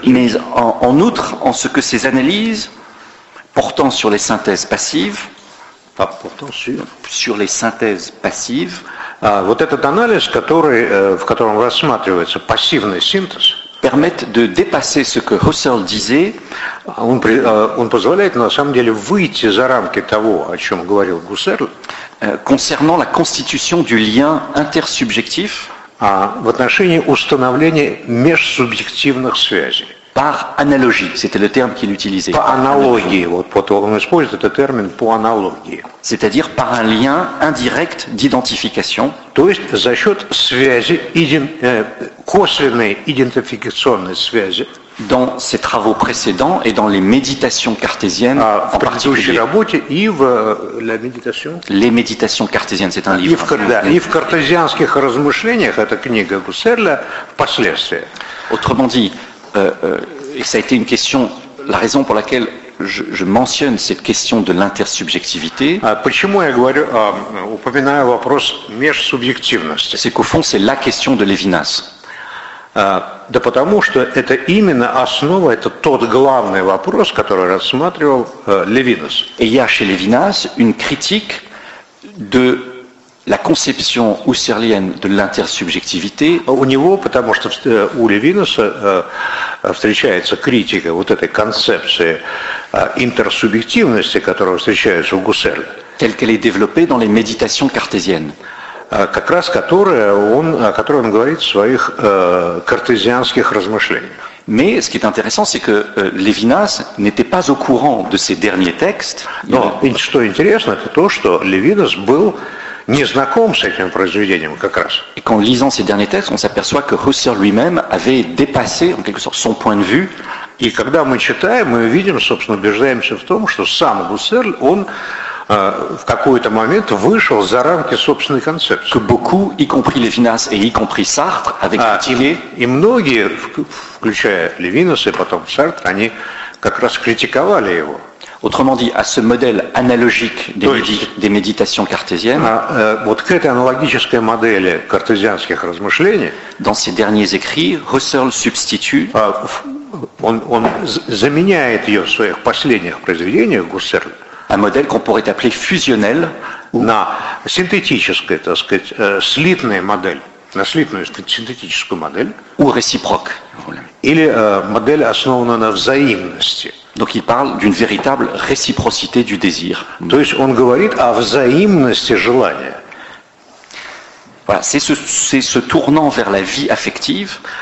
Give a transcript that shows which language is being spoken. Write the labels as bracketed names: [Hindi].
[French] Mais en outre, en ce que ces analyses portant sur les synthèses passives, pas portant sur les synthèses passives, [Russian] вот этот анализ, в котором рассматривается пассивный синтез, [French] permettent de dépasser ce que Husserl disait, [Russian] он позволяет на самом деле выйти за рамки того, о чем говорил Гуссерль, [French] concernant la constitution du lien intersubjectif, [Russian] в отношении установления межсубъективных связей. [French] Par analogie, c'était le terme qu'il utilisait. [Russian] По аналогии, он использует этот термин по аналогии. [French] C'est-à-dire par un lien indirect d'identification. [Russian] То есть за счет связи, косвенной идентификационной связи. [French] Dans ses travaux précédents et dans les méditations cartésiennes en particulier. [Russian] Работе, и в [French] la méditation. Les méditations cartésiennes, c'est un livre. [Russian] И в картезианских размышлениях, эта книга Гуссерля, впоследствии. [French] Autrement dit, et ça a été une question, la raison pour laquelle je mentionne cette question de l'intersubjectivité. [Russian] Почему я говорю, упоминаю вопрос межсубъективности? [French] C'est qu'au fond, c'est la question de Levinas. [Russian] Да потому что это именно основа, это тот главный вопрос, который рассматривал Левинас. [French] Et il y a chez Levinas une critique de la conception husserlienne de l'intersubjectivité. [Russian] У него, потому что у Левинаса встречается критика вот этой концепции интерсубъективности, которая встречается у Гуссерля. [French] Telle qu'elle est développée dans les méditations cartésiennes. [Russian] Как раз о которой он говорит в своих картезианских размышлениях. [French] Mais ce qui est intéressant, c'est que Levinas n'était pas au courant de ces derniers textes. [Russian] Что интересно, это то, что Левинас был не знаком с этим произведением как раз. [French] Et qu'en lisant ces derniers textes, on s'aperçoit que Husserl lui-même avait dépassé, en quelque sorte, son point de vue. [Russian] И когда мы читаем, мы видим, собственно, убеждаемся в том, что сам Гуссерль, он в какой-то момент вышел за рамки собственной концепции. [French] Que beaucoup, y compris Levinas et y compris Sartre, avec critiqué. [Russian] И многие, включая Левинас и потом Сартр, они как раз критиковали его. [French] Autrement dit, à ce modèle analogique des méditations cartésiennes. [Russian] Вот к этой аналогической модели картезианских размышлений. [French] Dans ses derniers écrits, Husserl substitue. [Russian] Он заменяет ее в своих последних произведениях Гуссерля. [French] Un modèle qu'on pourrait appeler fusionnel, [Russian] на синтетическое, так сказать, слитная модель. наследственную синтетическую модель. [French] Ou réciproque. [Russian] Или модель, основанную на взаимности. [French] Donc il parle d'une véritable réciprocité du désir. [Russian] То есть он говорит о взаимности желания. [French] Voilà, c'est ce tournant vers la vie affective.